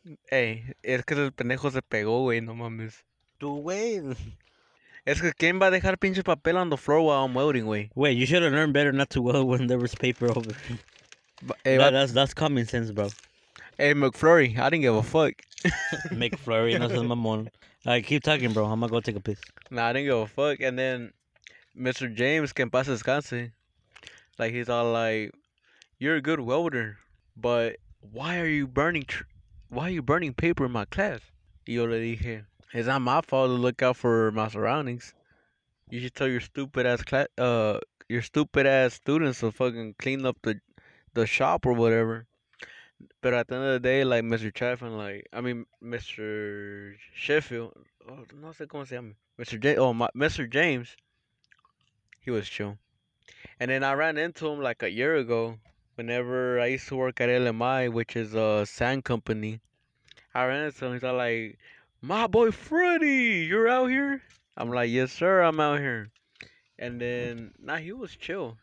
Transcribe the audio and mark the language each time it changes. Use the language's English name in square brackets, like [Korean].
[Spanish] Hey, es que el pendejo se pegó, güey, no mames. Tú, güey. Es que ¿quién va a dejar pinche papel [English] on the floor while I'm welding, [Spanish] güey? [English] Wait, you should have learned better not to weld when there was paper over. That's common sense, bro. Hey, McFlurry, I didn't give a fuck. McFlurry, [Spanish] no es mamón. [English] All right, keep talking, bro. I'm going to go take a piss. Nah, I didn't give a fuck. And then Mr. James, [Spanish] que en paz descanse. [English] Like, he's all like, you're a good welder, but why are you burning paper in my class? [Spanish] Y yo le dije, [English] it's not my fault to look out for my surroundings. You should tell your stupid ass students to fucking clean up the shop or whatever. But at the end of the day, like, Mr. Sheffield, oh, [Spanish] no sé cómo se llama, [English] Mr. James, he was chill. And then I ran into him like a year ago whenever I used to work at LMI, which is a sand company. I ran into him. He's all like, my boy Freddy, you're out here? I'm like, yes, sir, I'm out here. And then, he was chill.